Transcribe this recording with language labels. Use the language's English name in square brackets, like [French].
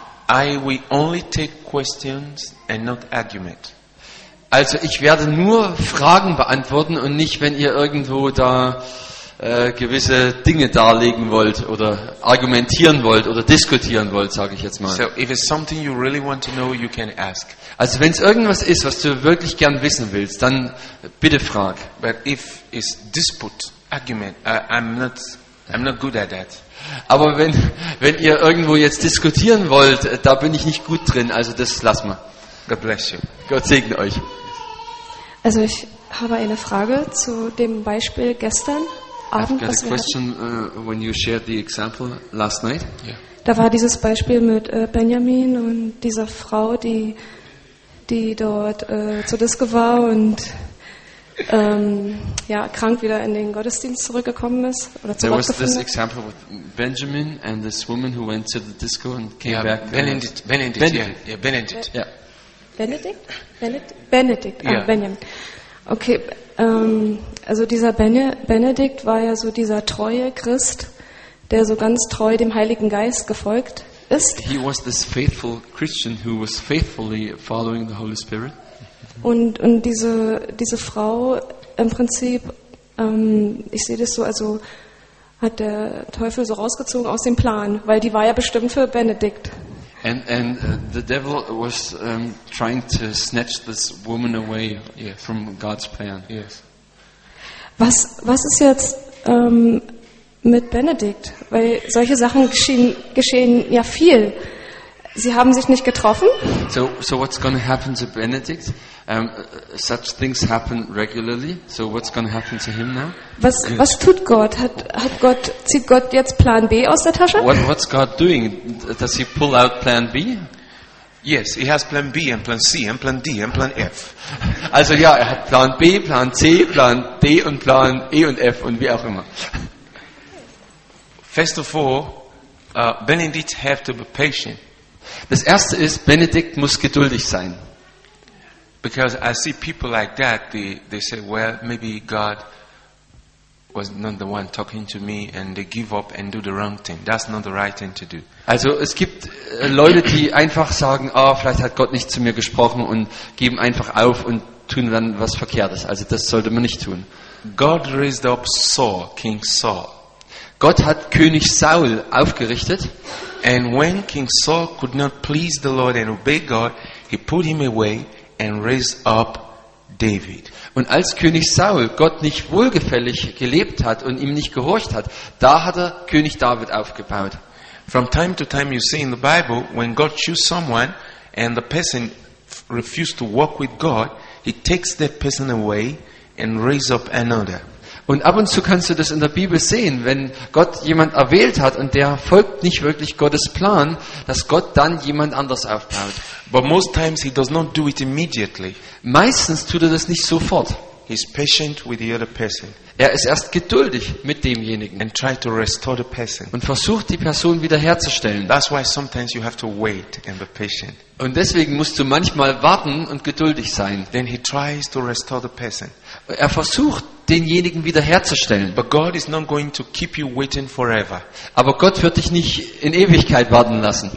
[English] I will only take questions and not argument. [German] Also ich werde nur Fragen beantworten und nicht, wenn ihr irgendwo da gewisse Dinge darlegen wollt oder argumentieren wollt oder diskutieren wollt, sage ich jetzt mal. [English] So if it's something you really want to know, you can ask. [German] Also wenn es irgendwas ist, was du wirklich gern wissen willst, dann bitte frag. [English] But if it's dispute, argument, I'm not good at that. [German] Aber wenn ihr irgendwo jetzt diskutieren wollt, da bin ich nicht gut drin, also das lass mal. [English] God bless you. [German] Gott segne euch. Also ich habe eine Frage zu dem Beispiel gestern. [English] I've got a question when you shared the example last night. Yeah. [German] Da war dieses Beispiel mit Benjamin und dieser Frau, die dort zur Disco war und krank wieder in den Gottesdienst zurückgekommen ist oder zu [English] There [German] Gott [English] was [German] gefunden. [English] This example with Benjamin and this woman who went to the disco and came yeah, back. Benedict. Benedict. Benedict. Benedict. Benedict. Benedict. Yeah. Benjamin. [German] Okay, also dieser Benedikt war ja so dieser treue Christ, der so ganz treu dem Heiligen Geist gefolgt ist. [English] He was this faithful Christian who was faithfully following the Holy Spirit. [German] Und diese Frau im Prinzip, ich sehe das so, also hat der Teufel so rausgezogen aus dem Plan, weil die war ja bestimmt für Benedikt. [English] And the devil was trying to snatch this woman away, yes, from God's plan. Yes. [German] Was ist jetzt mit Benedikt? Weil solche Sachen geschehen ja viel. Sie haben sich nicht getroffen. [English] So what's going to happen to Benedict? Such things happen regularly. So what's going to happen to him now? [German] Was tut Gott? Hat Gott, zieht Gott jetzt Plan B aus der Tasche? [English] What's God doing? Does he pull out Plan B? Yes, he has Plan B and Plan C and Plan D and Plan F. [German] Also ja, er hat Plan B, Plan C, Plan D und Plan E und F und wie auch immer. [English] First of all, Benedict have to be patient. [German] Das erste ist, Benedikt muss geduldig sein. [English] Because I see people like that, they say, well, maybe God was not the one talking to me, and they give up and do the wrong thing. That's not the right thing to do. [German] Also es gibt Leute, die einfach sagen, ah, vielleicht hat Gott nicht zu mir gesprochen, und geben einfach auf und tun dann was Verkehrtes. Also das sollte man nicht tun. [English] God raised up Saul, King Saul. [German] Gott hat König Saul aufgerichtet. [English] And when King Saul could not please the Lord and obey God, he put him away and raised up David. [German] Und als König Saul Gott nicht wohlgefällig gelebt hat und ihm nicht gehorcht hat, da hat er König David aufgebaut. [English] From time to time you see in the Bible, when God chooses someone and the person refuses to walk with God, he takes that person away and raises up another. [German] Und ab und zu kannst du das in der Bibel sehen, wenn Gott jemand erwählt hat und der folgt nicht wirklich Gottes Plan, dass Gott dann jemand anders aufbaut. [English] But most times he does not do it immediately. [German] Meistens tut er das nicht sofort. [English] He's patient with the other person. [German] Er ist erst geduldig mit demjenigen [English] and try to restore the person. [German] Und versucht die Person wiederherzustellen. [English] That's why sometimes you have to wait and be patient. [German] Und deswegen musst du manchmal warten und geduldig sein. [English] Then he tries to restore the person. [German] Er versucht denjenigen wiederherzustellen. [English] But God is not going to keep you waiting forever. [German] Aber Gott wird dich nicht in Ewigkeit warten lassen.